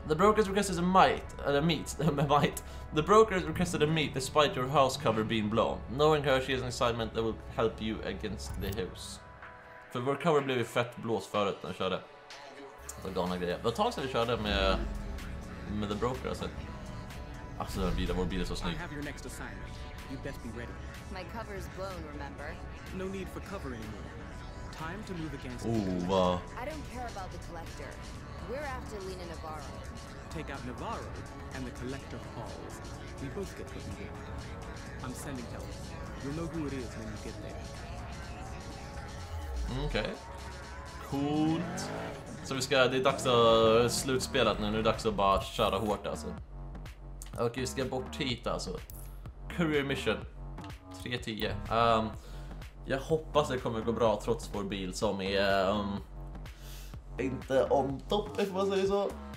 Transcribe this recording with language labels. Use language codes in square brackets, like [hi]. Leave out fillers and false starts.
[en] The broker requested a meet. The broker requested a meet despite your house cover being blown. Knowing her, she has an assignment that will help you against the house. [sv] För vår cover blev ju fett blåst förut när vi körde. Så galna grejer. Det var ett tag sedan vi körde med [en] the broker [sv] alltså. Alltså den bilen, vår bil är så snygg. [en] I have your next assignment. You best be ready. My cover is blown, remember? No need for cover anymore. Time to move against the collector. I don't care about the collector. We're after Lena Navarro. Take out Navarro and the collector falls. We both get what we get. I'm sending help. You'll know who it is when you get there. Okay. [sv] Coolt. Så vi ska, det är dags att slutspelat nu. Nu är det dags att bara köra hårt alltså. Okej, vi ska bort hit alltså. Career mission. 3-10. Jag hoppas det kommer gå bra trots vår bil som är inte [en] on top, [sv] om man säger så.